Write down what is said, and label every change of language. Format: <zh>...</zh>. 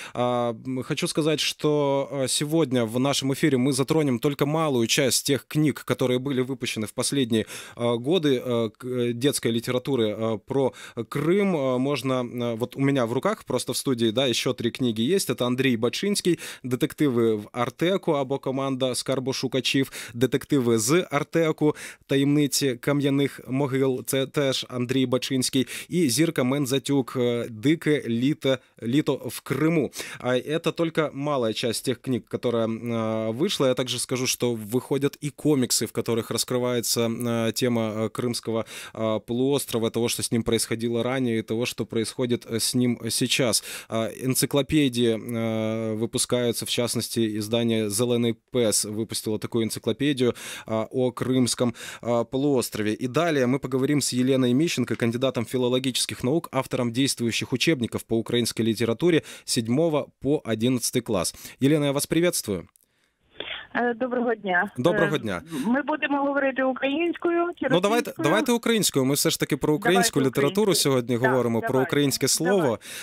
<ru>Хочу сказать, что сегодня в нашем эфире мы затронем только малую часть тех книг, которые были выпущены в последние годы детской литературы про Крым. Можно, вот у меня в руках просто в студии, да, еще три книги есть. Это Андрій Бачинський, детективы в Артеку або команда Скарбу Шукачів, детективы з Артеку, таємниці кам'яних могил, це теж Андрій Бачинський, і зірка Мензатюк, дике літо в Криму. А это только малая часть тех книг, которая вышла. Я также скажу, что выходят и комиксы, в которых раскрывается тема Крымского полуострова, того, что с ним происходило ранее, и того, что происходит с ним сейчас. Энциклопедии выпускаются, в частности, издание «Зелений пес» выпустило такую энциклопедию о Крымском полуострове. И далее мы поговорим с Еленой Міщенко, кандидатом филологических наук, автором действующих учебников по украинской литературе 7 по 11 класс. Елена, я вас приветствую.</ru> <uk>Доброго дня. Доброго дня. Ми будемо говорити українською. Ну, давайте українською. Ми все ж таки про українську літературу сьогодні говоримо, про українське слово.</uk>